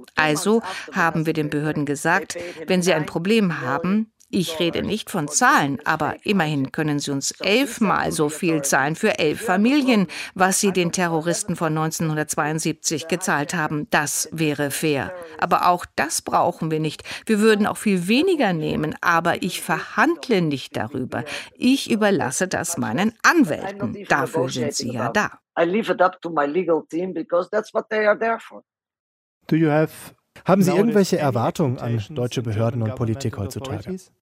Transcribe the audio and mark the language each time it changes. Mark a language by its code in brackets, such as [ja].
[de] Also haben wir den Behörden gesagt, wenn sie ein Problem haben, ich rede nicht von Zahlen, aber immerhin können sie uns 11-mal so viel zahlen für 11 Familien, was sie den Terroristen von 1972 gezahlt haben. Das wäre fair. Aber auch das brauchen wir nicht. Wir würden auch viel weniger nehmen, aber ich verhandle nicht darüber. Ich überlasse das meinen Anwälten. Dafür sind sie ja da. [en] I leave it up to my legal team because that's what they are there for. Do you have... [de] Haben Sie irgendwelche Erwartungen an deutsche Behörden und Politik heutzutage?